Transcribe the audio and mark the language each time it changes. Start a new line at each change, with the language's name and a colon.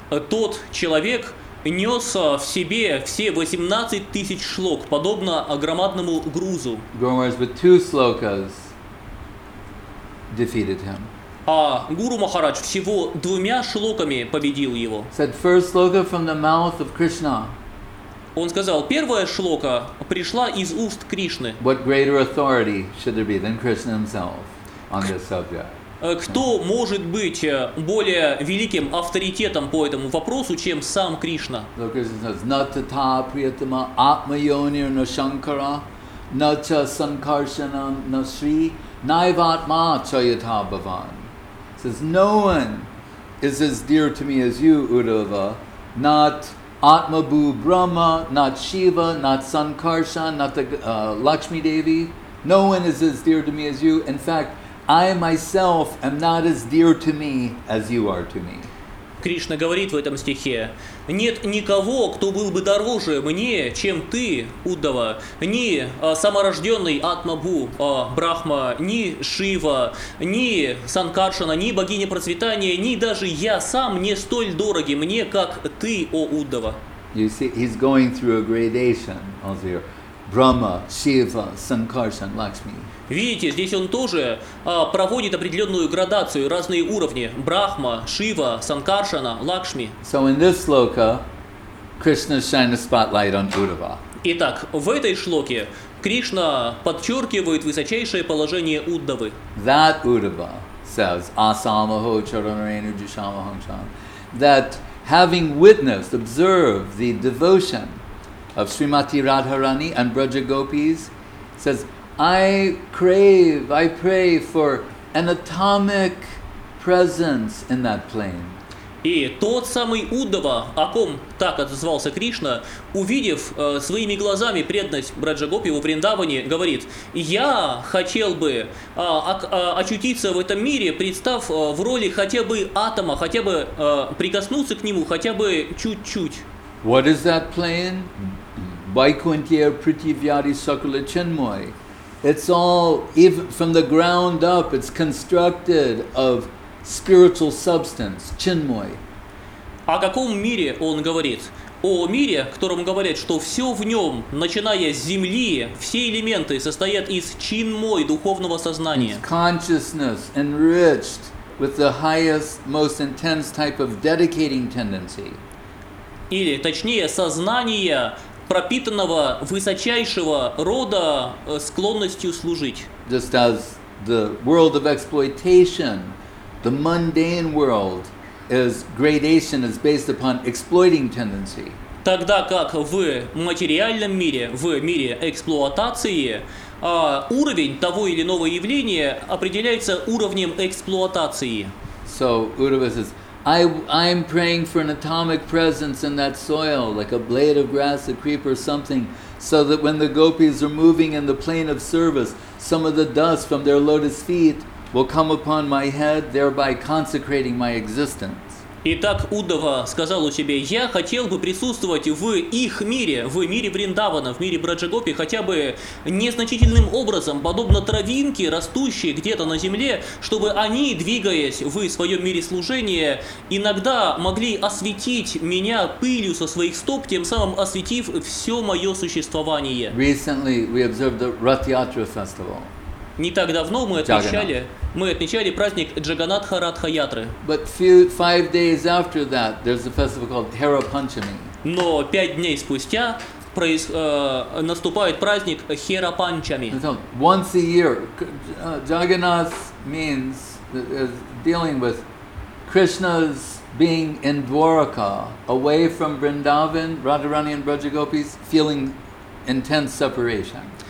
Russian: Тот человек нес в себе все 18 тысяч шлок, подобно громадному грузу.
English: Guru Maharaj with two slokas defeated him.
Russian: А Гуру Махарадж всего двумя шлоками победил его.
English: Said first sloka from the mouth of Krishna.
Russian: Он сказал, первая шлока пришла из уст Кришны.
English: What greater authority should there be than Krishna himself on this subject?
Russian: Кто может быть более великим авторитетом по этому вопросу, чем сам Кришна?
Sanskrit: Натата приятама атмайонир на шанкара, нача санкаршана на шри, наиватма чайата бхаван.
English: Says, no one is as dear to me as you, Uddhava. Not Atmabhu Brahma, not Shiva, not Sankarshan, not the Lakshmi Devi. No one is as dear to me as you. In fact, I myself am not as dear to me as you are to me.
Russian: Кришна говорит в этом стихе: нет никого, кто был бы дороже мне, чем ты, Уддава, ни саморожденный Атмабу Брахма, ни Шива, ни Санкаршана, ни богиня процветания, ни даже я сам не столь дороги мне, как ты, о Уддава.
English: You see, he's going through a gradation of your Brahma, Shiva, Sankarshan, Lakshmi.
Russian: Видите, здесь он тоже проводит определенную градацию, разные уровни: Брахма, Шива, Санкаршана, Лакшми.
English: So in this shloka, Krishna shines a spotlight on Uddhava.
Russian: Итак, в этой шлоке Кришна подчеркивает высочайшее положение Уддавы.
English: That Uddhava says,
Sanskrit: Asamaho Charanarenu Jishamaham Chan,
English: that having witnessed, observed the devotion of Srimati Radharani and Braja Gopis, says, I pray for an atomic presence in that plane.
Russian: И тот самый Уддава, о ком так отозвался Кришна, увидев своими глазами преданность Браджагопи во Вриндаване, говорит: я хотел бы очутиться в этом мире, представ в роли хотя бы атома, хотя бы прикоснуться к нему, хотя бы чуть-чуть.
English: What is that plane?
Sanskrit: Vaikuntha Prithivyadi Sakala Chinmoy.
English: It's all, even from the ground up, it's constructed of spiritual substance, chinmoy.
Russian: О каком мире он говорит? О мире, в котором говорят, что все в нем, начиная с земли, все элементы состоят из чинмой, духовного сознания.
English: It's consciousness enriched with the highest, most intense type of dedicating tendency.
Russian: Или, точнее, сознание пропитанного высочайшего рода склонностью служить.
English: Just as the world of exploitation, the mundane world, is gradation is based upon exploiting tendency.
Russian: Тогда как в материальном мире, в мире эксплуатации, уровень того или иного явления определяется уровнем эксплуатации.
English: So Uddhava says, I'm praying for an atomic presence in that soil, like a blade of grass, a creeper, something, so that when the gopis are moving in the plane of service, some of the dust from their lotus feet will come upon my head, thereby consecrating my existence.
Russian: Итак, Уддава сказал у себя: я хотел бы присутствовать в их мире, в мире Вриндавана, в мире Браджагопи, хотя бы незначительным образом, подобно травинке, растущей где-то на земле, чтобы они, двигаясь в своем мире служения, иногда могли осветить меня пылью со своих стоп, тем самым осветив все мое существование.
English: Recently we observed the Rath-Yatra festival.
Russian: Не так давно мы отмечали праздник Джаганатха Радха Ятры.
English: But five days after that, there's a festival called Hara Panchami.
Russian: Но 5 дней спустя наступает праздник Хера Панчами.
English: So once a year, Jagannath means is dealing with Krishna's being in Dwaraka, away from Vrindavan, Radharani and Brajagopis, feeling intense separation.